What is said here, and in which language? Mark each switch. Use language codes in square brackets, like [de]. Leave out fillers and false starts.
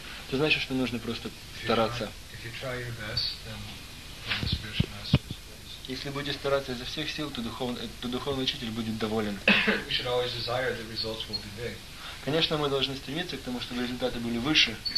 [ru] Это значит, что нужно просто стараться. [en] If you try your best, then the spiritual master is pleased. [ru] Если будете стараться изо всех сил, то духовный учитель будет доволен. [en] We should always desire the results will be big. [ru] Конечно, мы должны стремиться к тому, чтобы результаты были выше.